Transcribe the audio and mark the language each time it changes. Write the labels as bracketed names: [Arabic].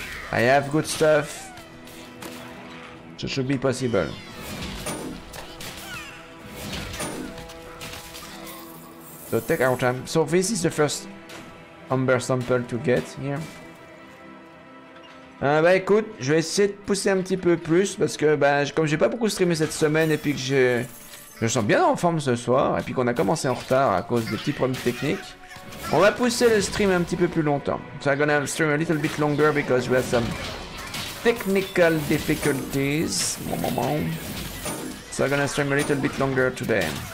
[English] I have good stuff, so should be possible. So take our time. So this is the first Amber sample to get here. [French] Bah écoute, je vais essayer de pousser un petit peu plus parce que bah, comme j'ai pas beaucoup streamé cette semaine et puis que je sens bien en forme ce soir et puis qu'on a commencé en retard à cause des petits problèmes techniques, on va pousser le stream un petit peu plus longtemps. [English] So I'm gonna stream a little bit longer because we have some technical difficulties. So I'm gonna stream a little bit longer today.